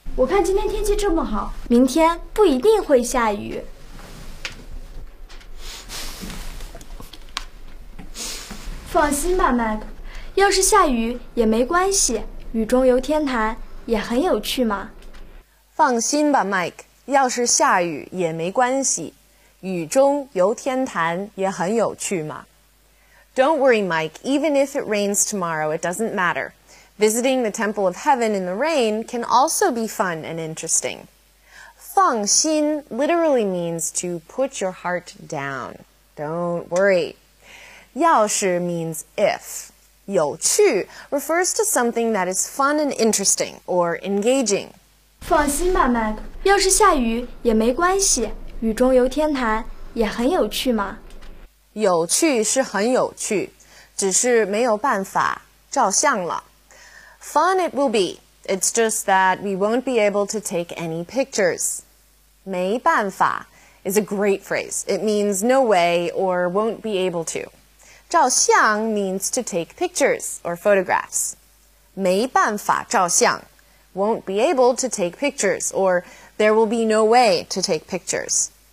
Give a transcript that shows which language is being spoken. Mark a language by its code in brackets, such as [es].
[zh] 我看今天天气这么好，明天不一定会下雨。放心吧，Mike，要是下雨也没关系，雨中游天坛也很有趣吗？放心吧 Mike， 要是下雨也没关系，雨中游天坛也很有趣嘛。 [en] Don't worry Mike, even if it rains tomorrow, it doesn't matter. Visiting the Temple of Heaven in the rain can also be fun and interesting. 放心 literally means to put your heart down. Don't worry. 要是 means if. 有趣 refers to something that is fun and interesting or engaging. [zh] 放心吧 Mike, 要是下雨也没关系，雨中游天坛也很有趣吗？有趣是很有趣，只是没有办法照相了。 [en] Fun it will be, it's just that we won't be able to take any pictures. 没办法 is a great phrase. It means no way or won't be able to. 照相 means to take pictures or photographs. [zh] 没办法照相 [en] won't be able to take pictures or there will be no way to take pictures.